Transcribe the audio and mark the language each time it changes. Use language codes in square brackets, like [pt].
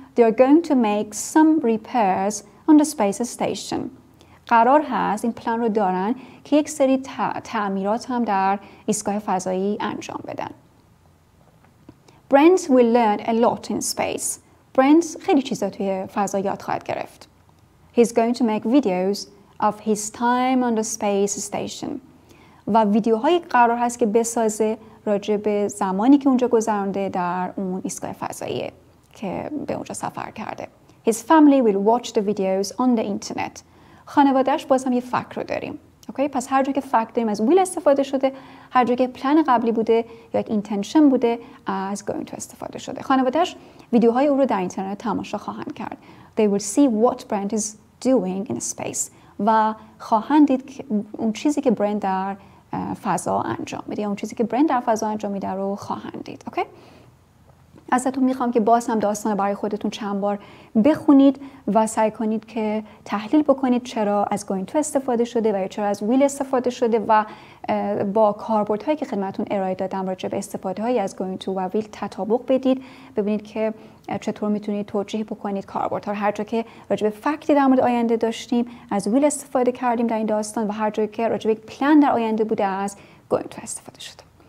[en] They are going to make some repairs on the space station. [fa] قرار هست، این پلان رو دارن که یک سری تعمیرات هم در ایستگاه فضایی انجام بدن. [en] Brent will learn a lot in space. [fa] Brent خیلی چیزا توی فضا یاد خواهد گرفت. [en] He's going to make videos of his time on the space station. [fa] و ویدیوهای قرار هست که بسازه راجع به زمانی که اونجا گذرونده در اون ایستگاه فضایی. که به اونجا سفر کرده. [en] His family will watch the videos on the internet. [fa] خانوادهش باز هم یه فکر رو داریم. اوکی؟ پس هر جا که فکر داریم از will استفاده شده، هر جا که پلان قبلی بوده یا یک intention بوده از [en] going to [fa] استفاده شده. خانوادهش ویدیوهای او رو در اینترنت تماشا خواهند کرد. [en] They will see what brand is doing in space. [fa] و خواهند دید اون چیزی که برند در فضا انجام میده، اون چیزی که برند در فضا انجام میده رو خواهند دید. اوکی؟ ازتون میخوام که باز هم داستان رو برای خودتون چند بار بخونید و سعی کنید که تحلیل بکنید چرا از [en] going to [fa] استفاده شده و چرا از will استفاده شده و با کاربرد هایی که خدمتون ارائه دادم راجع به استفاده هایی از going to و will تطابق بدید، ببینید که چطور میتونید توجیه بکنید کاربرد ها رو. هر جا که راجع به فکتی در مورد آینده داشتیم از will استفاده کردیم در این داستان و هر جا که راجع به plan در آینده بوده از going to استفاده شده.